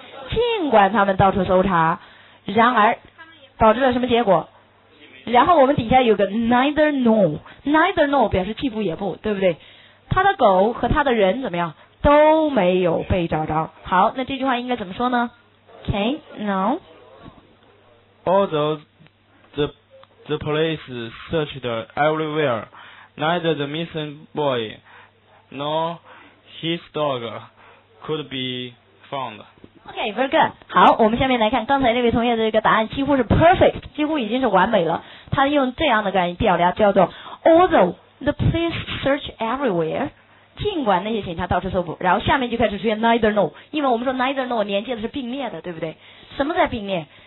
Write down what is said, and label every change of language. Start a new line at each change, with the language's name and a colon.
Chinese: 尽管他们到处搜查，然而导致了什么结果？然后我们底下有个 neither nor， neither nor 表示既不也不，对不对？他的狗和他的人怎么样都没有被找着。好，那这句话应该怎么说呢？
English: Can no although the police searched everywhere, neither the missing boy nor his dog could be found. OK, very good.
Chinese: 好，我们下面来看刚才那位同学的这个答案几乎是 perfect， 几乎已经是完美了。他用这样的概念表达，叫做
English: although the police search everywhere，
Chinese: 尽管那些警察到处搜捕，然后下面就开始出现 neither nor， 因为我们说 neither nor 连接的是并列的，对不对？什么在并列？